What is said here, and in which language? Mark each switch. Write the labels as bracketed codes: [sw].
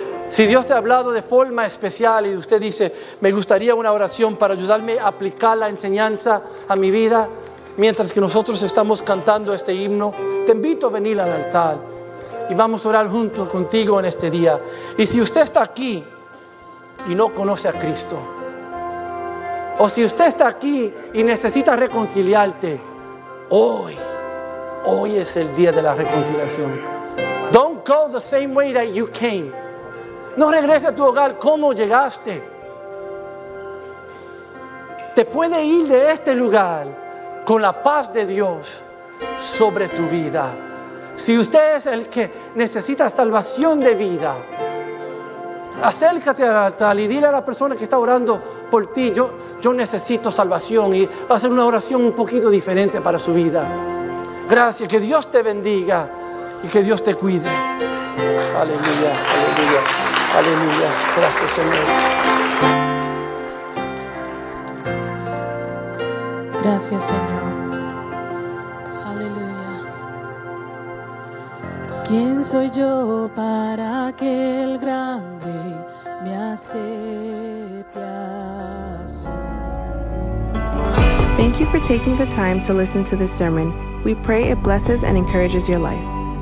[es] Si Dios te ha hablado de forma especial y usted dice, me gustaría una oración para ayudarme a aplicar la enseñanza a mi vida, mientras que nosotros estamos cantando este himno, te invito a venir al altar y vamos a orar junto contigo en este día. Y si usted está aquí y no conoce a Cristo, o si usted está aquí y necesita reconciliarte, hoy es el día de la reconciliación. [en] Don't go the same way that you came. [es] No regreses a tu hogar como llegaste. Te puede ir de este lugar con la paz de Dios sobre tu vida. Si usted es el que necesita salvación de vida, acércate al altar y dile a la persona que está orando por ti, yo necesito salvación, y va a ser una oración un poquito diferente para su vida. Gracias, que Dios te bendiga y que Dios te cuide. Aleluya, aleluya, aleluya. Gracias, Señor. Gracias, Señor. Aleluya. ¿Quién soy yo para que el gran rey me acepte así? [en] Thank you for taking the time to listen to this sermon. We pray it blesses and encourages your life.